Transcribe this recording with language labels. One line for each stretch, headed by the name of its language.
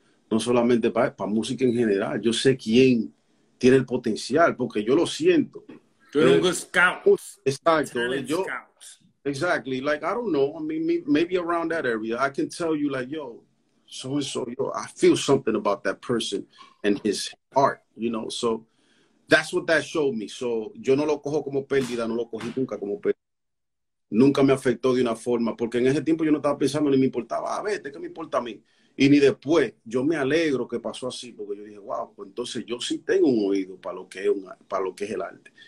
Spanish: No solamente para música en general. Yo sé quién tiene el potencial, porque yo lo siento. Tú eres un
English: good scout.
Spanish: Exacto.
English: Yo, exactly. Like, I don't know. I mean, maybe around that area. I can tell you, like, yo, so-and-so, yo, I feel something about that person and his heart, you know. So that's what that showed me.
Spanish: So yo no lo cojo como pérdida, no lo cogí nunca como pérdida. Nunca me afectó de una forma, porque en ese tiempo yo no estaba pensando ni me importaba. A ver, ¿qué me importa a mí? Y ni después. Yo me alegro que pasó así, porque yo dije, wow, pues entonces yo sí tengo un oído para lo que es el arte.